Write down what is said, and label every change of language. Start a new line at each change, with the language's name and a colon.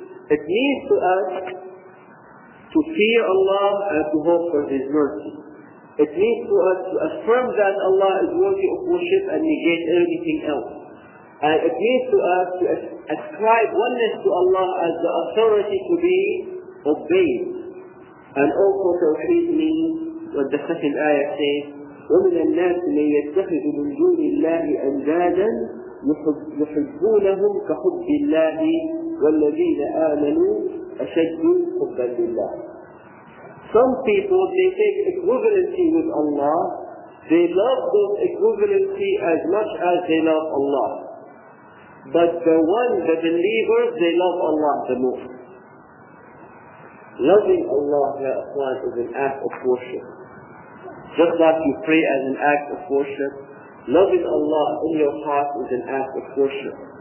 English: It means to us to fear Allah and to hope for His mercy. It means to us to affirm that Allah is worthy of worship and negate anything else. And it means to us to ascribe oneness to Allah as the authority to be obeyed. And also Tawheed means what the second ayah says,
Arabic: وَمِنَ النَّاسِ مَنْ يَتَّخِذُ مِنْ دُونِ اللَّهِ أَنْدَادًا يُحِبُّونَهُمْ كَحُبِّ اللَّهِ وَالَّذِينَ آمَنُوا أَشَدُّ حُبًّا لِلَّهِ.
English: Some people, they take equivalency with Allah, they love those equivalency as much as they love Allah. But the believers, they love Allah the most. Loving Allah, ya akhwan, is an act of worship. Just like you pray as an act of worship, loving Allah in your heart is an act of worship.